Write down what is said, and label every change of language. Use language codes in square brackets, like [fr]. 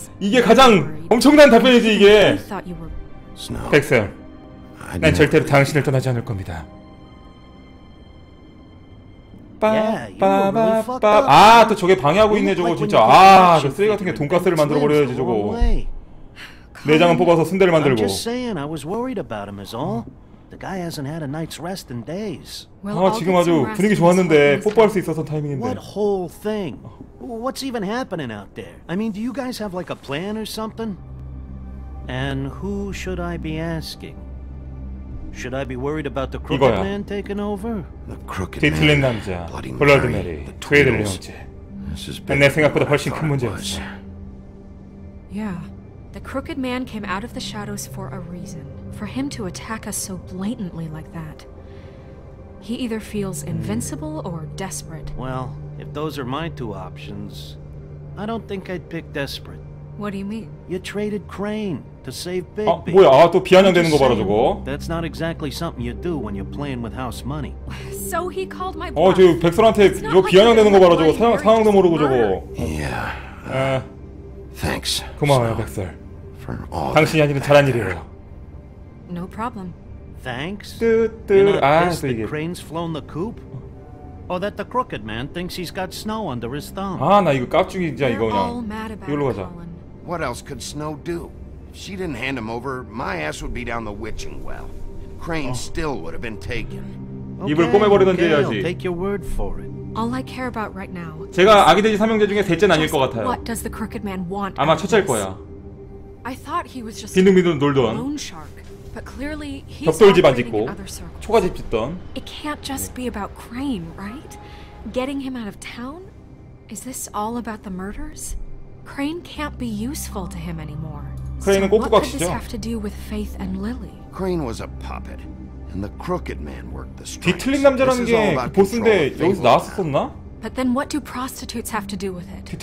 [ko] 이게 가장 엄청난 답변이지, 이게. 백설, 난 절대로 당신을 떠나지 않을 겁니다. 빠빠빠빠. 아, 또 저게 방해하고 있네, 저거 진짜. 아, 저 쓰레기 같은 게 돈가스를 만들어 버려야지, 저거. 내장은 뽑아서 순대를 만들고. [en] I'm just saying, I was worried about him, is all. The guy hasn't had a night's rest in days. [ko] 아, 지금 아주 분위기 좋았는데 뽀뽀할 수 있었던 타이밍인데. [en] What whole thing? What's even happening out there? I mean, do you guys have like a plan or something? And who should I be asking? Should I be worried about the crooked man taking over? The crooked man. [ko] 뒤틀린 남자. Blood Mary. 트웨이드를 형제. 내 생각보다 훨씬 큰 문제였어. [en] Yeah. The crooked man came out of the shadows for a reason. For him to attack us so blatantly like that. He either feels invincible or desperate. Well, if those are my two options, I don't think I'd pick desperate. What do you mean? You traded Crane to save Bigby. [ko] 아, 뭐야? 아, 또 비아냥되는 거 봐라, 저거. [en] That's not exactly something you do when you're playing with house money. So he called my [ko] boss. 어, 저 백설한테 이거 비아냥되는 거 봐라, 저거. 상황도 모르고 저거. [en] Yeah. Thanks. [ko] 고마워요, 백설. [en] For all. [ko] 당신이 하시는 잘한 일이에요. [en] No problem. Thanks. You're not pissed that Crane's flown the coop? Or that the crooked man thinks he's got Snow under his thumb? [ko] 아, 나 이거 깝죽이지, 이거 그냥. 이걸로 가자. [en] What else could Snow do? If she didn't hand him over, my ass would be down the witching well. Crane still would have been taken. [ko] 입을 꼬매버리던지 해야지. [en] Take your word for it. All I care about right now. [ko] 제가 아기 돼지 삼형제 중에 셋째 나뉠 것 같아요. [en] What does the crooked man want? [ko] 아마 첫째일 거야. [en] I thought he was just [ko] 비눅비눅 놀던. [en] Lone shark. But clearly he's [ko] 벽돌집 안 짓고 초가집 짓던. [en] It can't just be about Crane, right? Getting him out of town? Is this all about the murders? Crane can't be useful to him anymore. [ko] 크레인은 꼬꾸각시죠. [en] What does this have to do with Faith and Lily? Crane was a puppet. And the crooked man worked the strikes. [ko] 뒤틀린 남자라는 게 그 보스인데 여기서 나왔었나? [en] But then what do prostitutes have to do with it?